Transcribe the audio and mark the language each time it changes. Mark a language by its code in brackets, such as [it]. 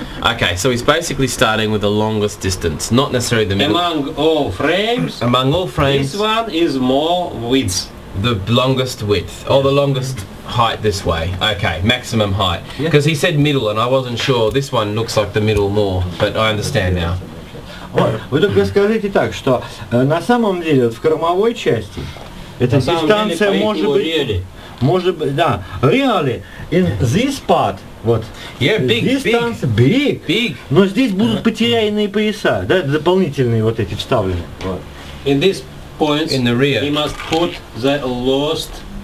[en] Okay, so he's basically starting with the longest distance, not necessarily the middle. Among all frames, this one is more width. The longest width, or the longest height this way. Okay, maximum height. Because he said middle, and I wasn't sure. This one looks like the middle more, but I understand now. [ru] Вы только скажите так, что на самом деле в кормовой части эта дистанция может быть... Может быть, да. [en] Really, in this part, [ru] вот. [en] Yeah, big, distance, big. Big. [ru] Но здесь будут потерянные пояса, да, дополнительные вот эти вставлены. Вот. [en] In this point, in the rear, he must put the lost...